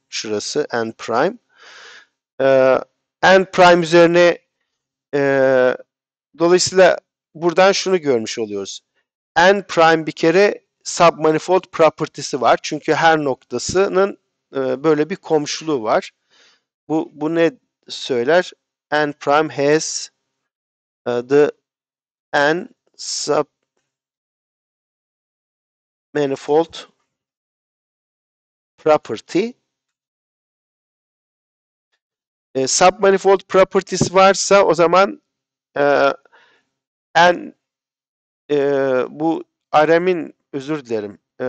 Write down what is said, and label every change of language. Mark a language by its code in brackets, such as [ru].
[tr] Şurası N prime. N prime üzerine dolayısıyla buradan şunu görmüş oluyoruz. N prime bir kere submanifold property'si var. Çünkü her noktasının böyle bir komşuluğu var. Bu ne söyler? [en] N prime has the N sub manifold property. [tr] Submanifold properties varsa o zaman N bu RM'in özür dilerim.